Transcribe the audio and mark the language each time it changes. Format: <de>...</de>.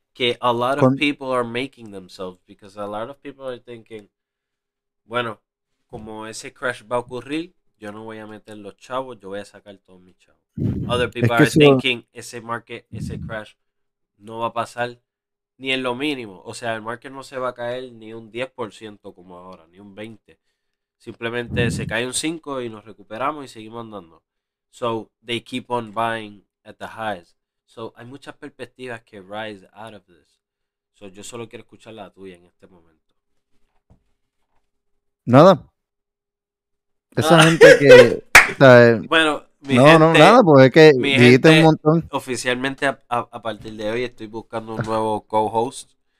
<es>que</es> <en>a lot of people are making themselves, because a lot of people are thinking,</en> <es>bueno, como ese crash va a ocurrir, yo no voy a meter los chavos, yo voy a sacar todos mis chavos.</es> <en>Other people</en> <es>es que</es> <en>are thinking,</en> <es>ese market, ese crash, no va a pasar ni en lo mínimo. O sea, el market no se va a caer ni un 10% como ahora, ni un 20%. Simplemente se cae un 5% y nos recuperamos y seguimos andando.</es> <en>So, they keep on buying at the highs.</en> <es>So, hay muchas perspectivas que</es> <en>rise out of this.</en> <es>So, yo solo quiero escuchar la tuya en este momento. Nada. Esa gente que... O sea, bueno, mi no, gente... No, no, nada, porque es que dijiste gente, un montón. Oficialmente, a partir de hoy, estoy buscando un nuevo co-host.</es>